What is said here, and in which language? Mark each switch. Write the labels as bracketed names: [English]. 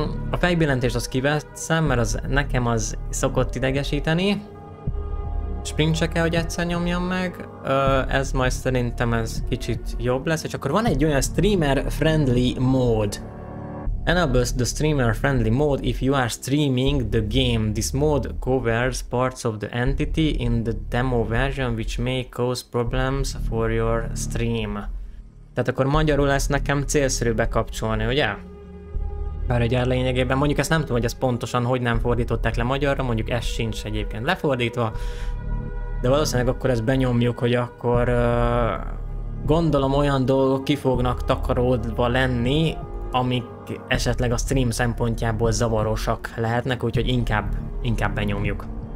[Hungarian] A fejbillentést azt kiveszem, mert az nekem az szokott idegesíteni. Sprintse kell, hogy egyszer nyomjam meg, ez majd szerintem ez kicsit jobb lesz, és akkor van egy olyan streamer friendly mode. [English] Enable the streamer friendly mode if you are streaming the game. This mode covers parts of the entity in the demo version which may cause problems for your stream. [Hungarian] Tehát akkor magyarul lesz nekem célszerű bekapcsolni, ugye? Bár ugye lényegében, mondjuk ezt nem tudom, hogy ezt pontosan hogy nem fordították le magyarra, mondjuk ez sincs egyébként lefordítva. De valószínűleg akkor ezt benyomjuk, hogy akkor gondolom olyan dolgok ki fognak takaródva lenni, amik esetleg a stream szempontjából zavarosak lehetnek, úgyhogy inkább benyomjuk.